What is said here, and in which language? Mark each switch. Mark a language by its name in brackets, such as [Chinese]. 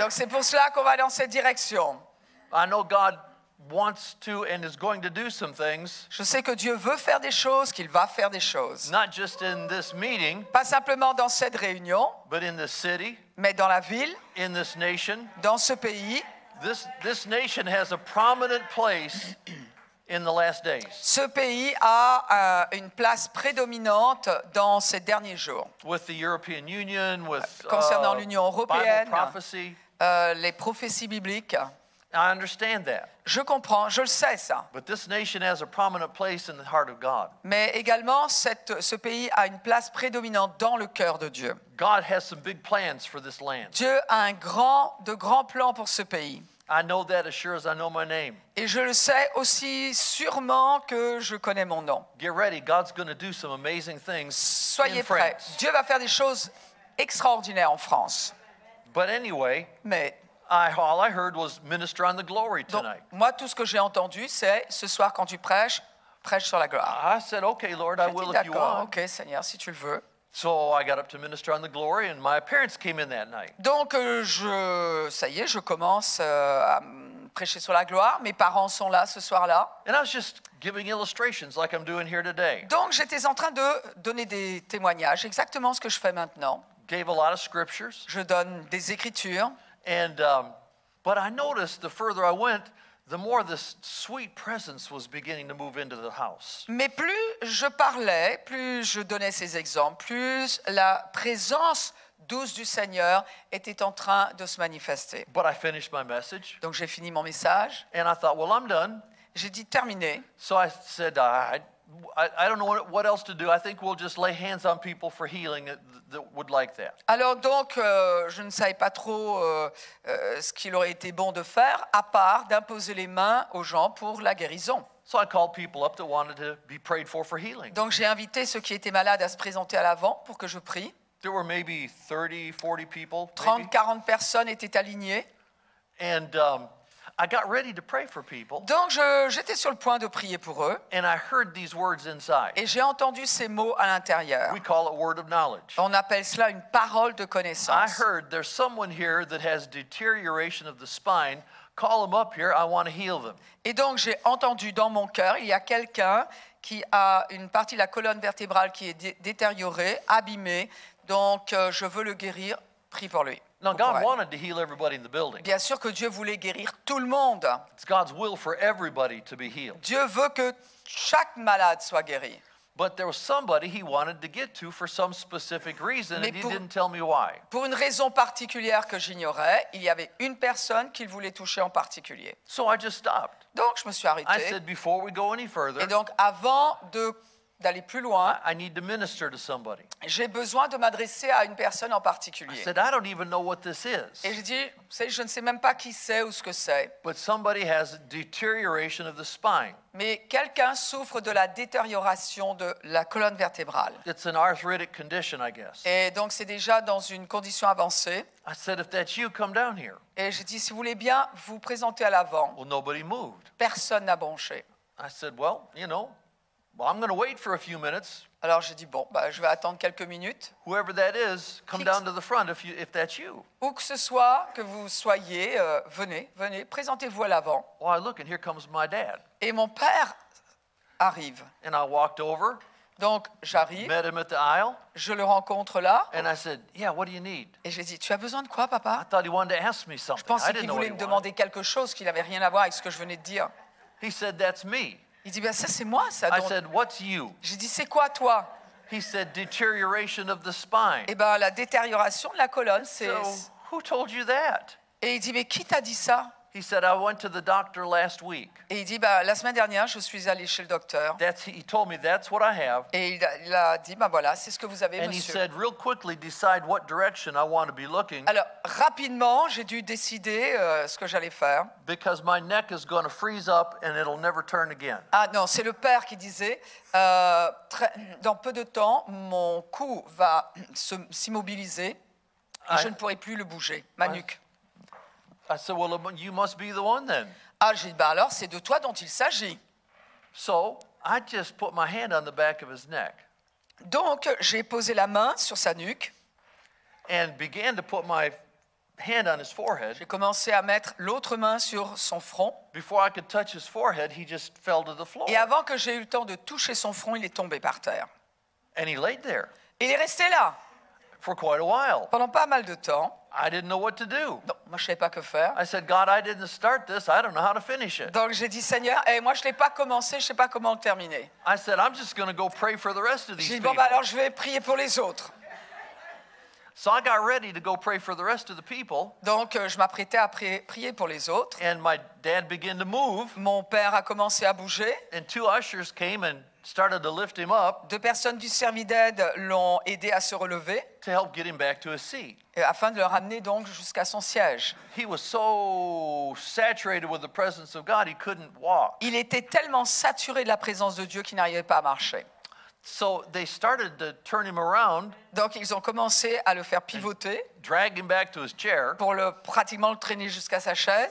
[French] Donc c'est pour cela qu'on va dans cette direction. [English] I know God wants to and is going to do some things. [French] Je sais que Dieu veut faire des choses, qu'il va faire des choses. [English] Not just in this meeting. [French] Pas simplement dans cette réunion. [English] But in the city. [French] Mais dans la ville. [English] In this nation. [French] Dans ce pays. [English] This nation has a prominent place in the last days. [French] Ce pays a une place prédominante dans ces derniers jours. [English] With the European Union, with [French] concernant l'Union européenne, [English] Bible prophecy. [French] Les prophéties bibliques. [English] I understand that. [French] Je comprends, je le sais ça. [English] But this nation has a prominent place in the heart of God. [French] Mais également, ce pays a une place prédominante dans le cœur de Dieu. [English] God has some big plans for this land. [French] Dieu a de grands plans pour ce pays. [English] I know that as sure as I know my name. [French] Et je le sais aussi sûrement que je connais mon nom. [English] Get ready, God's going to do some amazing things. [French] Soyez prêts. Dieu va faire des choses extraordinaires en France. [English] But anyway. [French] Mais [English] All I heard was minister on the glory tonight. [French] Donc, moi, tout ce que j'ai entendu, c'est ce soir quand tu prêches, prêche sur la gloire. [English] I said, okay, Lord, I will if you want. [French] Okay, Seigneur, si tu le veux. [English] So I got up to minister on the glory, and my appearance came in that night. [French] Donc, ça y est, je commence à prêcher sur la gloire. Mes parents sont là ce soir-là. [English] And I was just giving illustrations like I'm doing here today. [French] Donc, j'étais en train de donner des témoignages, exactement ce que je fais maintenant. [English] Gave a lot of scriptures. [French] Je donne des écritures. [English] And but I noticed the further I went, the more this sweet presence was beginning to move into the house. [French] Mais plus je parlais, plus je donnais ces exemples, plus la présence douce du Seigneur était en train de se manifester. [English] But I finished my message. [French] Donc j'ai fini mon message. [English] And I thought, well, I'm done. [French] J'ai dit terminé. [English] So I said, I don't know what else to do. I think we'll just lay hands on people for healing that would like that. [French] Alors donc, je ne savais pas trop ce qu'il aurait été bon de faire, à part d'imposer les mains aux gens pour la guérison. [English] So I called people up that wanted to be prayed for healing. [French] Donc j'ai invité ceux qui étaient malades à se présenter à l'avant pour que je prie. [English] There were maybe 30, 40 people. [French] 30-40 personnes étaient alignées. [English] And I got ready to pray for people. [French] Donc j'étais sur le point de prier pour eux. [English] And I heard these words inside. [French] Et j'ai entendu ces mots à l'intérieur. [English] We call it word of knowledge. [French] On appelle cela une parole de connaissance. [English] I heard there's someone here that has deterioration of the spine. Call them up here. I want to heal them. [French] Et donc j'ai entendu dans mon cœur, il y a quelqu'un qui a une partie de la colonne vertébrale qui est détériorée, abîmée. Donc je veux le guérir. Prie pour lui. [English] Now God wanted to heal everybody in the building. [French] Bien sûr que Dieu voulait guérir tout le monde. [English] It's God's will for everybody to be healed. [French] Dieu veut que chaque malade soit guéri. [English] But there was somebody he wanted to get to for some specific reason, and he didn't tell me why. [French] Pour une raison particulière que j'ignorais, il y avait une personne qu'il voulait toucher en particulier. [English] So I just stopped. [French] Donc je me suis arrêté. [English] I said before we go any further. [French] Et donc avant d'aller plus loin, [English] I need to minister to somebody. [French] J'ai besoin de m'adresser à une personne en particulier. [English] I said, I don't even know what this is. [French] Et j'ai dit, je ne sais même pas qui c'est ou ce que c'est. [English] But somebody has deterioration of the spine. [French] Mais quelqu'un souffre de la détérioration de la colonne vertébrale. [English] It's an arthritic condition, I guess. [French] Et donc c'est déjà dans une condition avancée. [English] I said, if that's you, come down here. [French] Et j'ai dit, si vous voulez bien, vous présentez à l'avant. [English] Well, nobody moved. [French] Personne n'a bronché. [English] I said, well, you know, well, I'm going to wait for a few minutes. [French] Alors j'ai dit bon, je vais attendre quelques minutes. [English] Whoever that is, come down to the front if that's you. [French] Où que ce soit que vous soyez, venez, présentez-vous à l'avant. [English] Well, I look and here comes my dad. [French] Et mon père arrive. [English] And I walked over. [French] Donc j'arrive. [English] Met him at the aisle. [French] Je le rencontre là. [English] And I said, yeah, what do you need? [French] Et j'ai dit, tu as besoin de quoi, papa? [English] I thought he wanted to ask me something. [French] Je pensais qu'il voulait me demander quelque chose qui n'avait rien à voir avec ce que je venais de dire. [English] He said, that's me. [French] Il dit, ça c'est moi, ça. [English] I said, what's you? [French] J'ai dit, c'est quoi toi? [English] He said, deterioration of the spine. [French] Eh ben, la détérioration de la colonne, c'est. [English] So, who told you that? [French] Et il dit, mais qui t'a dit ça? [English] He said, I went to the doctor last week. [French] Et il dit, la semaine dernière, je suis allé chez le docteur. [English] He told me, that's what I have. [French] Et il a dit, c'est ce que vous avez, [English] and [French] monsieur. [English] And he said, real quickly, decide what direction I want to be looking. [French] Alors, rapidement, j'ai dû décider ce que j'allais faire. [English] Because my neck is going to freeze up and it'll never turn again. [French] Ah non, c'est le père qui disait, dans peu de temps, mon cou va s'immobiliser et je ne pourrai plus le bouger, ma nuque. [English] I said, well, you must be the one then. [French] Ah, j'ai dit, alors c'est de toi dont il s'agit. [English] So, I just put my hand on the back of his neck. [French] Donc, j'ai posé la main sur sa nuque. [English] And began to put my hand on his forehead. [French] J'ai commencé à mettre l'autre main sur son front. [English] Before I could touch his forehead, he just fell to the floor. [French] Et avant que j'ai eu le temps de toucher son front, il est tombé par terre. [English] And he laid there. [French] Il est resté là. [English] for quite a while. [French] Pendant pas mal de temps. [English] I didn't know what to do. [French] Non, moi, je savais pas que faire. [English] I said, God, I didn't start this. I don't know how to finish it. [French] Donc j'ai dit, Seigneur, et moi je l'ai pas commencé, je sais pas comment le terminer. [English] I said, I'm just going to go pray for the rest of these people. [French] J'ai dit, bon, bah, alors je vais prier pour les autres. [English] So I got ready to go pray for the rest of the people. [French] Donc je m'apprêtais à prier pour les autres. [English] And my dad began to move. [French] Mon père a commencé à bouger. [English] And two ushers came and started to lift him up. [French] Deux personnes du service d'aide l'ont aidé à se relever. [English] To help get him back to his seat. [French] Et afin de le ramener donc jusqu'à son siège. [English] He was so saturated with the presence of God, he couldn't walk. [French] Il était tellement saturé de la présence de Dieu qu'il n'arrivait pas à marcher. [English] So they started to turn him around. [French] Donc ils ont commencé à le faire pivoter. [English] Drag him back to his chair. [French] Pour le pratiquement le traîner jusqu'à sa chaise.